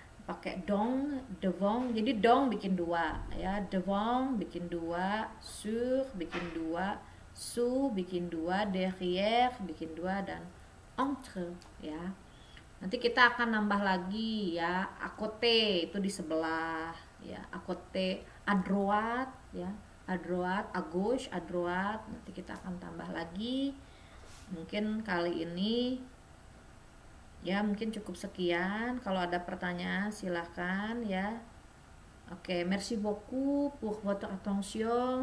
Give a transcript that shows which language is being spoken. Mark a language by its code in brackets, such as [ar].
[id] Pakai dong, devant, jadi dong bikin dua ya, devant bikin dua, sur bikin dua, sous bikin dua, derrière bikin dua, dan entre ya. Nanti kita akan nambah lagi ya, à côté itu di sebelah ya, à côté, à droite ya, à droite, à gauche, à droite. Nanti kita akan tambah lagi, mungkin kali ini ya, mungkin cukup sekian. Kalau ada pertanyaan silahkan ya. [fr] Oke, merci beaucoup pour votre attention.